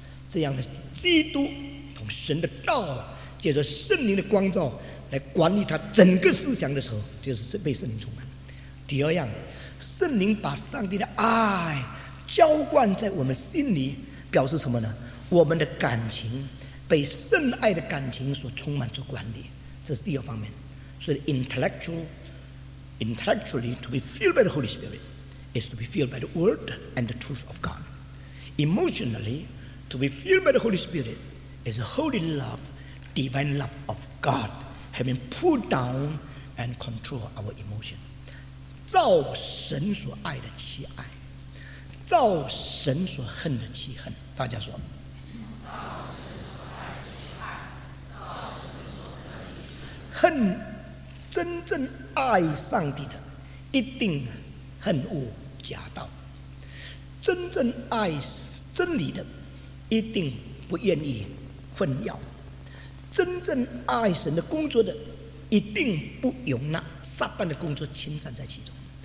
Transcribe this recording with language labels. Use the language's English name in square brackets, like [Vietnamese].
[Chinese] 这样的基督同神的道借着圣灵的光照来管理他整个思想的时候，就是被圣灵充满。第二样，圣灵把上帝的爱浇灌在我们心里，表示什么呢？我们的感情被圣爱的感情所充满着管理，这是第二方面。所以 [English] intellectually to be filled by the Holy Spirit is to be filled by the word and the truth of God. Emotionally to be filled by the Holy Spirit is a holy love, divine love of God, having put down and control our emotion. [Chinese] 照神所爱的其爱，照神所恨的其恨。大家说，照神所爱的其爱，照神所恨的其恨。恨，真正爱上帝的一定恨恶假道，真正爱真理的一定不愿意混淆，真正爱神的工作的一定不容纳撒旦的工作侵占在其中。